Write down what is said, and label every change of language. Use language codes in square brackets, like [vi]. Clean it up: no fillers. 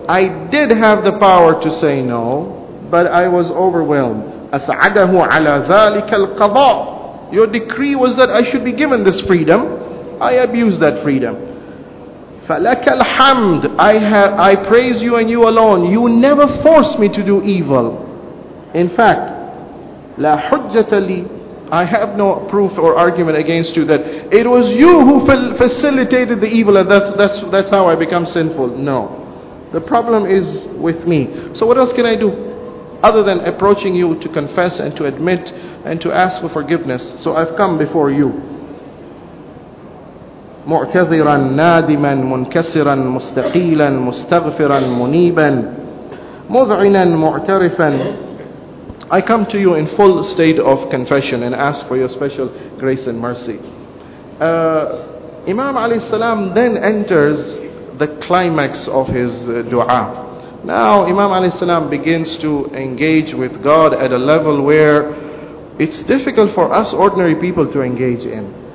[en] I did have the power to say no, but I was overwhelmed. [ar] أَسْعَدَهُ عَلَى ذَلِكَ الْقَضَاءُ. [en] Your decree was that I should be given this freedom. I abused that freedom. [ar] فَلَكَ الْحَمْدُ. [en] I praise you and you alone. You never forced me to do evil. In fact, [ar] لَا حُجَّةَ لِي. [en] I have no proof or argument against you that it was you who facilitated the evil and that's how I become sinful. No. The problem is with me. So what else can I do other than approaching you to confess and to admit and to ask for forgiveness? So I've come before you. [ar] معتذرا نادما منكسرا مستقيلا مستغفرا منيبا مذعنا معترفا. [en] I come to you in full state of confession and ask for your special grace and mercy. Imam alayhi salam then enters the climax of his dua. Now Imam alayhi salam begins to engage with God at a level where it's difficult for us ordinary people to engage in.